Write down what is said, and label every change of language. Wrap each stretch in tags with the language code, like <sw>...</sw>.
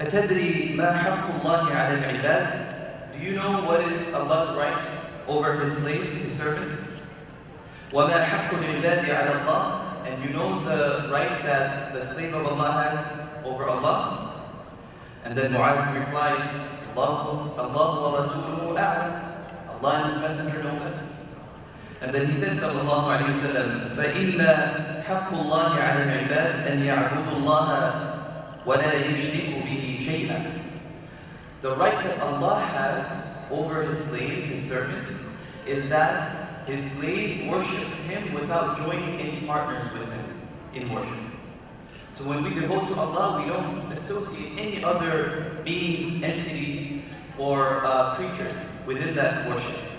<ar>أتدري ما حق الله على العباد؟</ar> <en>Do you know what is Allah's right over his slave, his servant?</en> <ar>وما حق العباد على الله؟</ar> <en>And you know the right that the slave of Allah has over Allah? And then Mu'adh replied,</en> <ar>Allah wa rasuluhu a'lam.</ar> <en>Allah and His Messenger know best. And then he said,</en> <ar>sallallahu alayhi wa sallam, فَإِنَّ حَقُّ اللَّهِ عَلَى الْعِبَادِ أَنْ يَعْبُدُ اللَّهَ وَلَا يُشْرِكُ بِهِ شَيْئًا.</ar> <en>The right that Allah has over his slave, his servant, is that his slave worships him without joining any partners with him in worship. So when we devote to Allah, we don't associate any other beings, entities, or creatures within that worship.</en>